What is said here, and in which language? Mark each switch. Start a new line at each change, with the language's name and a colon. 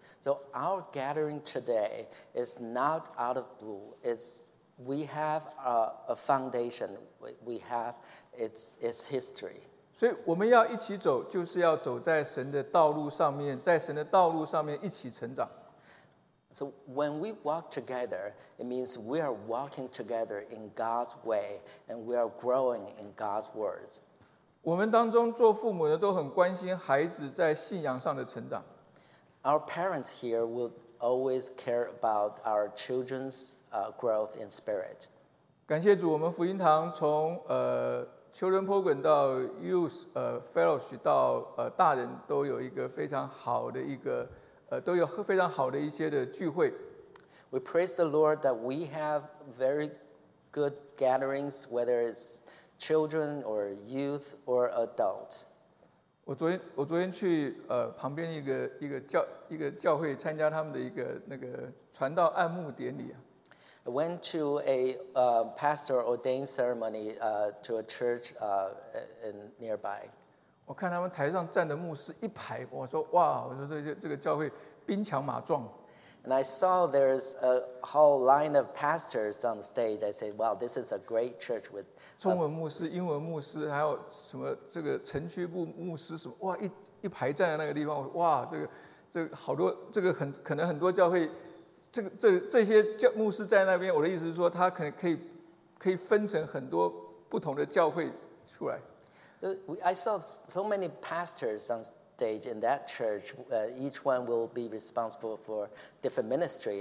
English: So our gathering today is not out of blue. It's we have a foundation. We have its history.
Chinese: 所以我们要一起走，就是要走在神的道路上面，在神的道路上面一起成长。
English: So when we walk together, it means we are walking together in God's way, and we are growing in God's words.
Chinese: 我们当中做父母的都很关心孩子在信仰上的成长。
English: Our parents here will always care about our children's growth in spirit.
Chinese: 感谢主，我们福音堂从Children Program 到 Youth Fellowship 到大人都有一个非常好的一个都有非常好的一些的聚会。
English: We praise the Lord that we have very good gatherings, whether it's children or youth or adults.
Chinese: 我昨天去旁边一个教会参加他们的一个那个传道按牧典礼。
English: I went to a pastor ordained ceremony to a church nearby.
Chinese: 我看他们台上站的牧师一排，我说哇，我说这个教会兵强马壮。
English: And I saw there's a whole line of pastors on stage. I said, "Wow, this is a great church with."
Chinese: 中文牧师、英文牧师，还有什么这个城区部牧师什么，哇，一排站在那个地方，哇，这个好多，这个很可能很多教会。这些教牧师在那边，我的意思是说，他可能可以分成很多不同的教会出来。
English: I saw so many pastors on stage in that church. Each one will be responsible for different ministry.